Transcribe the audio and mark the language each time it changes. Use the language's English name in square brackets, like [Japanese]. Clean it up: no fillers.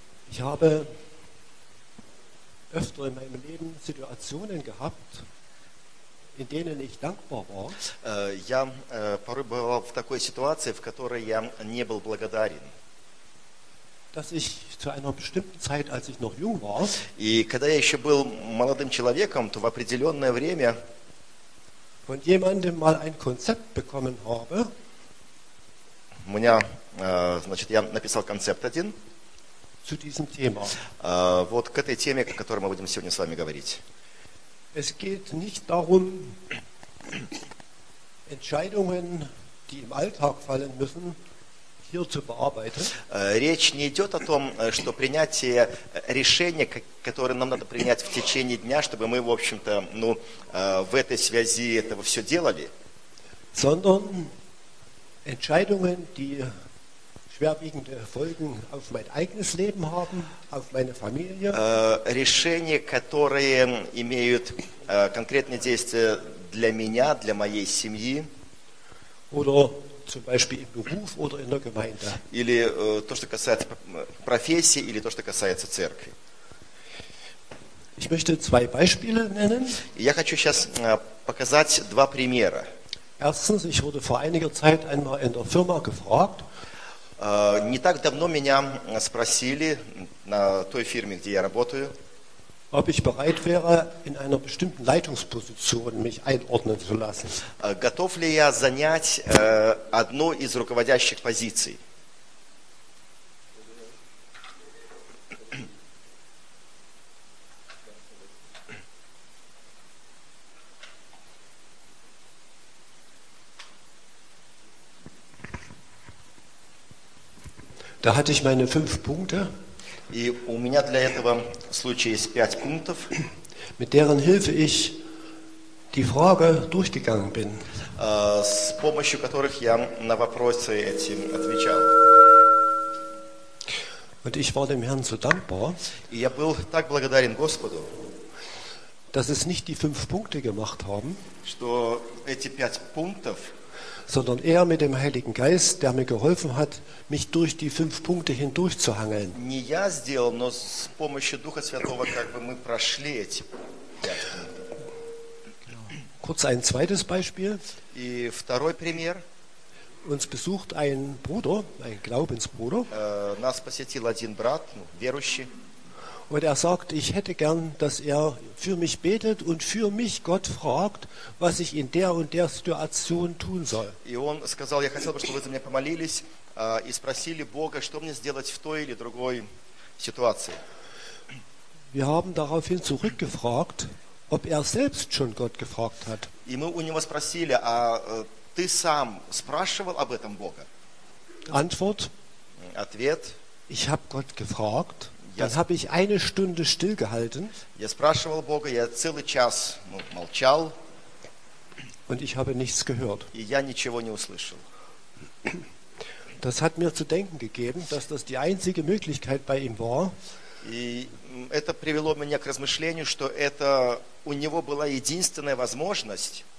[German] Ich habe öfter in meinem Leben Situationen gehabt, in denen ich dankbar war. [Russian] Я порой бывал в такой ситуации, в которой я не был благодарен. [German] Dass ich zu einer bestimmten Zeit, als ich noch jung war, [Russian] и когда я еще был молодым человеком, то в определенное время [German] von jemandem mal ein Konzept bekommen habe, [Russian] у меня, значит, я написал концепт один [German] zu diesem Thema. [Russian] Вот к этой теме, о которой мы будем сегодня с вами говорить. [German] Es geht nicht darum, Entscheidungen, die im Alltag fallen müssen, hier zu bearbeiten. [Russian] Речь не идет о том, что принятие решения, которое нам надо принять в течение дня, чтобы мы, в общем-то, ну, в этой связи этого все делали. [German] Sondern Entscheidungen, die schwerwiegende Folgen auf mein eigenes Leben haben, auf meine Familie. [Russian] Решения, которые имеют конкретные действия для меня, для моей семьи. [German] Oder zum Beispiel im Beruf oder in der Gemeinde. [Russian] Или то, что касается профессии, или то, что касается церкви. [German] Ich möchte zwei Beispiele nennen. [Russian] Я хочу сейчас показать два примера. [German] Erstens, ich wurde vor einiger Zeit einmal in der Firma gefragt. [Russian] Не так давно меня спросили на той фирме, где я работаю, [German] ob ich bereit wäre, in einer bestimmten Leitungsposition mich einordnen zu lassen. [Russian] Готов ли я занять одну из руководящих позиций? [German] Da hatte ich meine fünf Punkte. [Russian] И у меня для этого в случае есть пять пунктов, [German] mit deren Hilfe ich die Frage durchgegangen bin. [Russian] С помощью которых я на вопросы эти отвечал. [German] Und ich war dem Herrn so dankbar, [Russian] и я был так благодарен Господу, [German] dass es nicht die fünf Punkte gemacht haben, [Russian] что эти пять пунктов, [German] sondern er mit dem Heiligen Geist, der mir geholfen hat, mich durch die fünf Punkte hindurch zu hangeln. [Russian] Не я сделал, но с помощью Духа Святого как бы мы прошли эти. [German] Kurz ein zweites Beispiel. [Russian] И второй пример. [German] Uns besucht ein Bruder, ein Glaubensbruder. [Russian] Нас посетил один брат, ну, верующий. [German] Und er sagt, ich hätte gern, dass er für mich betet und für mich Gott fragt, was ich in der und der Situation tun soll. [Russian] И он сказал, я хотел бы, чтобы вы за меня помолились и спросили Бога, что мне сделать в той или другой ситуации. [German] Wir haben daraufhin zurückgefragt, ob er selbst schon Gott gefragt hat. [Russian] И мы у него спросили, а ты сам спрашивал об этом Бога? [German] Antwort. [Russian] Ответ. [German] Ich habe Gott gefragt. Dann habe ich eine Stunde stillgehalten. [Russian] Я спрашивал Бога, я целый час, ну, молчал. [German] Und ich habe nichts gehört. [Russian] И я ничего не услышал. [German] Das hat mir zu denken gegeben, dass das die einzige Möglichkeit bei ihm war. [Russian] И это привело меня к размышлению, что это у него была единственная возможность,